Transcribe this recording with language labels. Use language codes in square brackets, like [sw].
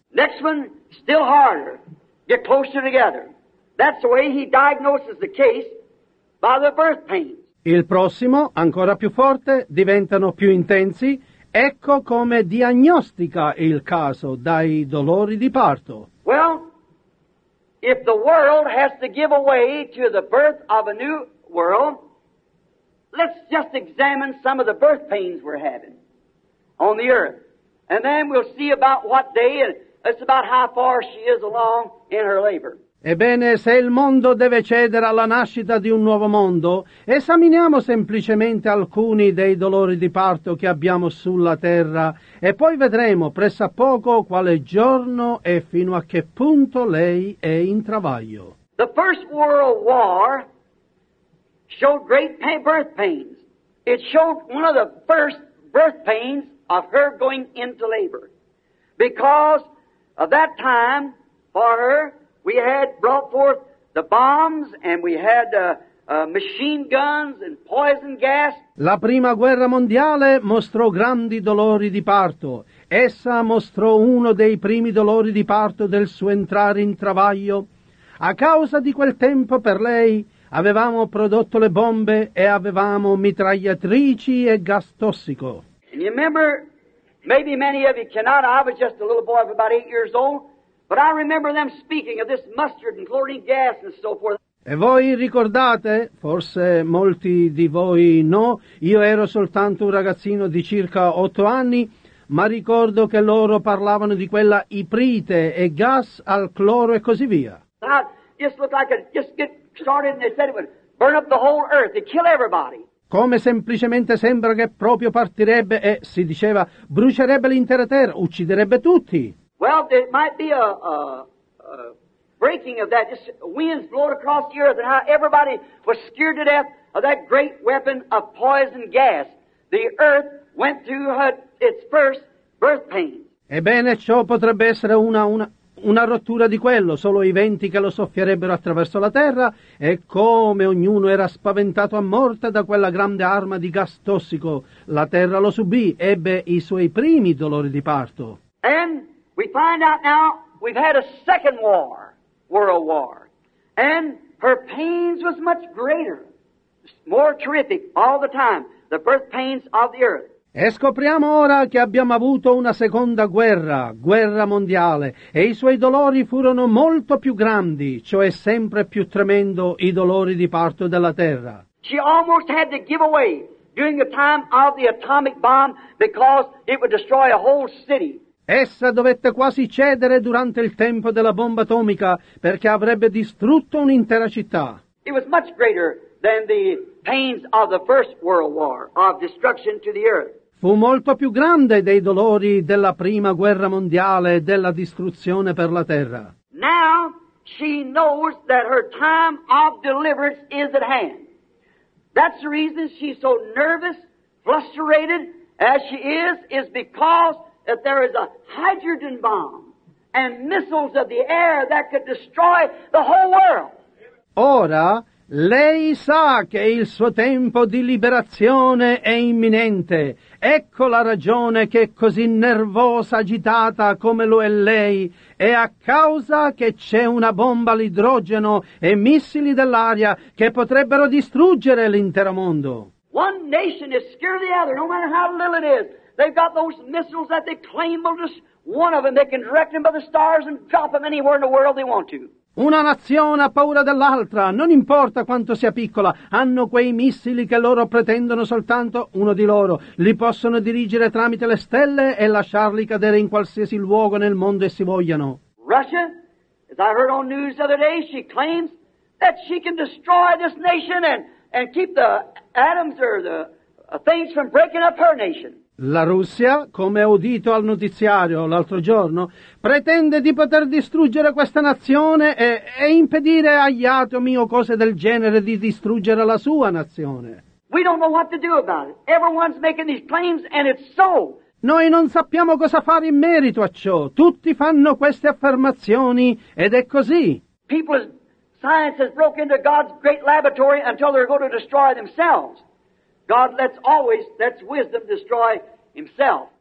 [en] Next one, still harder. Get closer together. That's the way he diagnoses the case by the birth pains. [it] Il prossimo, ancora più forte, diventano più intensi. Ecco come diagnostica il caso dai dolori di parto. [en] Well, if the world has to give away to the birth of a new world, let's just examine some of the birth pains we're having on the earth And then we'll see about what day, and it's about how far she is along in her labor. [it] Ebbene, se il mondo deve cedere alla nascita di un nuovo mondo, esaminiamo semplicemente alcuni dei dolori di parto che abbiamo sulla terra e poi vedremo presso a poco quale giorno e fino a che punto lei è in travaglio. [en] The First World War showed great birth pains. It showed one of the first birth pains of her going into labor. Because of that time for her, we had brought forth the bombs, and we had machine guns and poison gas. [it] La prima guerra mondiale mostrò grandi dolori di parto. Essa mostrò uno dei primi dolori di parto del suo entrare in travaglio. A causa di quel tempo per lei, avevamo prodotto le bombe e avevamo mitragliatrici e gas tossico. [en] And you remember, maybe many of you cannot, I was just a little boy of about 8 years old, but I remember them speaking of this mustard and chlorine gas and so forth. [it] E voi ricordate, forse molti di voi no, io ero soltanto un ragazzino di circa 8 anni, ma ricordo che loro parlavano di quella iprite e gas al cloro e così via. [en] That just looked like it just get started and they said it would burn up the whole earth, it'd kill everybody. [it] Come semplicemente sembra che proprio partirebbe e, si diceva, brucierebbe l'intera terra, ucciderebbe tutti. [en] Well, there might be a breaking of that, just winds blowing across the earth, and how everybody was scared to death of that great weapon of poison gas. The earth went through its first birth pain. [it] Ebbene, ciò potrebbe essere una rottura di quello, solo i venti che lo soffierebbero attraverso la terra, e come ognuno era spaventato a morte da quella grande arma di gas tossico, la terra lo subì, ebbe i suoi primi dolori di parto. [en] And we find out now we've had a second war, world war, and her pains was much greater, more terrific all the time, the birth pains of the earth. [it] E scopriamo ora che abbiamo avuto una seconda guerra, guerra mondiale, e i suoi dolori furono molto più grandi, cioè sempre più tremendo i dolori di parto della terra. [en] She almost had to give away during the time of the atomic bomb because it would destroy a whole city. [it] Essa dovette quasi cedere durante il tempo della bomba atomica perché avrebbe distrutto un'intera città. [en] It was much greater than the pains of the First World War, of destruction to the earth. [it] Fu molto più grande dei dolori della prima guerra mondiale e della distruzione per la terra. [en] Now she knows that her time of deliverance is at hand. That's the reason she's so nervous, frustrated as she is because that there is a hydrogen bomb and missiles of the air that could destroy the whole world. [it] Ora lei sa che il suo tempo di liberazione è imminente. Ecco la ragione che è così nervosa, agitata come lo è lei. È a causa che c'è una bomba all'idrogeno e missili dell'aria che potrebbero distruggere l'intero mondo. [en] One nation is scared of the other, no matter how little it is. They've got those missiles that they claim will just one of them. They can direct them by the stars and drop them anywhere in the world they want to. [it] Una nazione ha paura dell'altra, non importa quanto sia piccola, hanno quei missili che loro pretendono soltanto uno di loro, li possono dirigere tramite le stelle e lasciarli cadere in qualsiasi luogo nel mondo essi vogliano. [en] Russia, as I heard on news the other day, she claims that she can destroy this nation and keep the atoms or the things from breaking up her nation. [it] La Russia, come ho udito al notiziario l'altro giorno, pretende di poter distruggere questa nazione e impedire agli atomi o cose del genere di distruggere la sua nazione. [en] We don't know what to do about it. Everyone's making these claims and it's so. [it] Noi non sappiamo cosa fare in merito a ciò. Tutti fanno queste affermazioni ed è così. [en] People's science has broken into God's great laboratory until they're going to destroy themselves. God lets wisdom destroy himself.